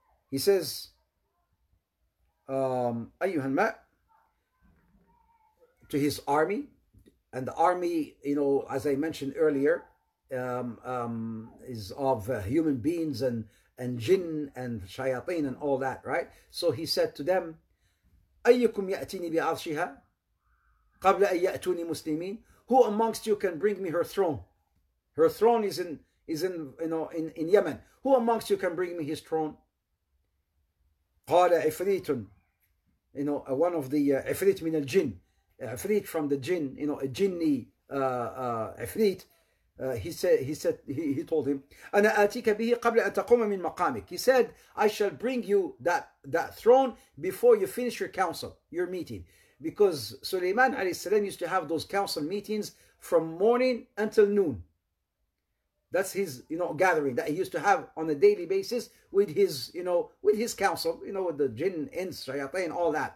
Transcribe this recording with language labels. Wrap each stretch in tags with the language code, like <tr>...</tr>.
<en>He says,</en> <ar>أيها الماء,</ar> <en>to his army. And the army, you know, as I mentioned earlier, is of human beings and jinn and shayateen and all that, right? So he said to them,</en> <ar>أَيُّكُمْ يَأْتِينِي بِعَرْشِهَا قَبْلَ أَن يَأْتُونِي مُسْلِمِينَ.</ar> <en>Who amongst you can bring me her throne? Her throne is in you know, in Yemen. Who amongst you can bring me his throne?</en> <ar>قَالَ عِفْرِيتٌ.</ar> <en>You know, one of the</en> <ar>عِفْرِيت مِنَ الْجِنِ.</ar> <en>Ifrit from the jinn, you know, a jinni ifrit. He told him,</en> <ar>أنا آتيك به قبل أن تقوم من مقامك.</ar> <en>He said, I shall bring you that throne before you finish your council, your meeting. Because Suleiman alayhi salam used to have those council meetings from morning until noon. That's his, you know, gathering that he used to have on a daily basis with his, you know, with his council, you know, with the jinn, ins, shayatin, all that.</en>